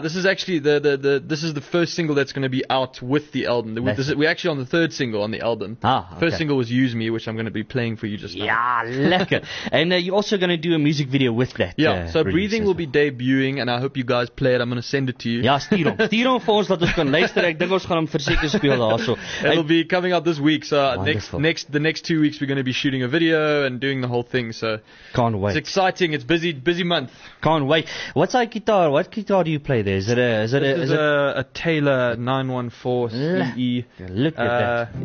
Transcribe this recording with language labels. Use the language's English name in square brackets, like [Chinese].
[English] This is actually the first single that's going to be out with the album. We're actually on the third single on the album. First single was Use Me, which I'm going to be playing for you just now. Yeah, lekker. And you're also going to do a music video with that. Yeah. So Breathing will be debuting, and I hope you guys play it. I'm going to send it to you. [Afrikaans] Ja, stuur hom. Stuur hom vir ons, dat ons kan luister. Ek dink ons gaan hom verseker speel daarso. [English] It'll be coming out this week, so the next 2 weeks we're going to be shooting a video and doing the whole thing, so can't wait. It's exciting. It's busy month. Can't wait. What's our guitar? What guitar do you play there? Is it a Taylor 914 CE. Look at that.